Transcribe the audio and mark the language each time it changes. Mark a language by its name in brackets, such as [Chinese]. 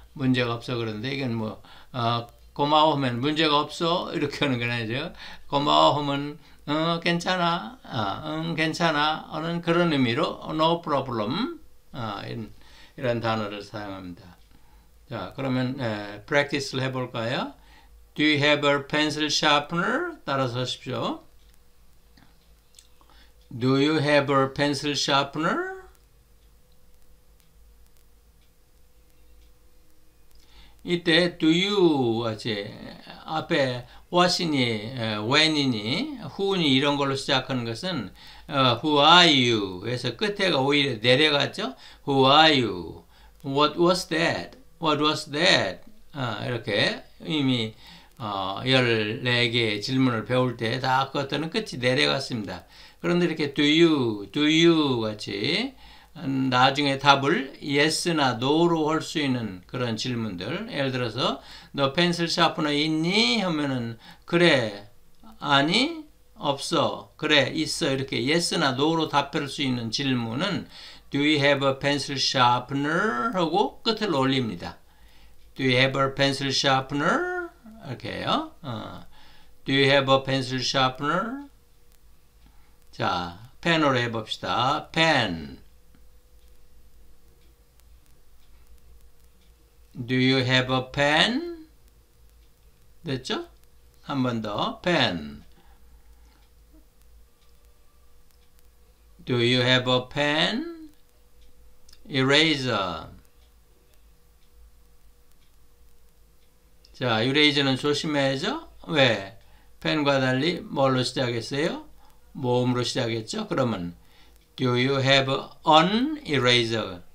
[Korean] 문제가 없어 그런데 이건 뭐 고마워하면 문제가 없어 이렇게 하는 거죠. 고마워하면 괜찮아. 괜찮아. 하는 그런 의미로 [English] no problem. [Korean] 이런 단어를 사용합니다. 자, 그러면 practice를 해볼까요? [English] Do you have a pencil sharpener? [Korean] 따라서 하십시오. [English] Do you have a pencil sharpener? It do you [Korean] 이제 앞에 what이니 when이니 who니 이런 걸로 시작하는 것은 [English] who are you? [Korean] 해서 끝에가 오히려 내려갔죠. [English] Who are you? What was that? What was that? [Korean] 이렇게 이미 14개의 질문을 배울 때다 그것들은 끝이 내려갔습니다. 그런데 이렇게 [English] do you [Korean] 같이 나중에 답을 yes나 no로 할수 있는 그런 질문들. 예를 들어서 너 펜슬 샤프너 있니? 하면은 그래, 아니, 없어, 그래, 있어 이렇게 yes나 no로 답할 수 있는 질문은 [English] do you have a pencil sharpener? [Korean] 하고 끝을 올립니다. [English] Do you have a pencil sharpener? [Korean] 이렇게요. [English] Do you have a pencil sharpener? [Korean] 자, 펜으로 해봅시다. 펜. [English] Do you have a pen? [Korean] 됐죠? 한번 더. [English] 펜. Do you have a pen? Eraser. [Korean] 자, 유레이저는 조심해야죠. 왜? 펜과 달리 뭘로 시작했어요? 모음으로 시작했죠. 그러면 [English] Do you have an eraser?